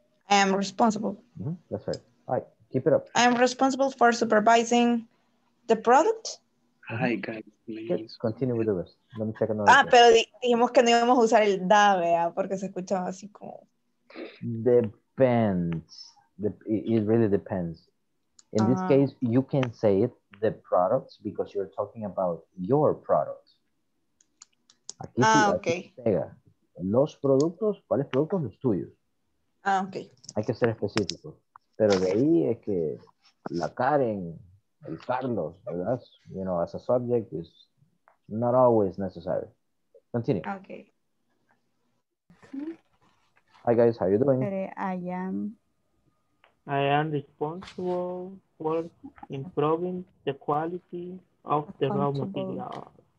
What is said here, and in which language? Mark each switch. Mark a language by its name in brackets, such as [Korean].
[English] I am responsible. Mm-hmm. That's right. All right, keep it up. I am responsible for supervising the product. Hi, guys, please. Continue with the rest. Let me check another. [Spanish] Ah, pero dijimos que no íbamos a usar el da, vea, porque se escuchaba así como. [English] Depends. It really depends. In this case, you can say it, the products, because you're talking about your products. [Spanish] Aquí sí, okay. Pega. Los productos, ¿cuáles productos? Los tuyos. Ah, ok. Hay que ser específico. Pero de ahí es que la Karen, el Carlos, ¿verdad? [English] You know, as a subject is not always necessary. Continue. Okay. Hi, guys. How are you doing? I am responsible for improving the quality of the raw material.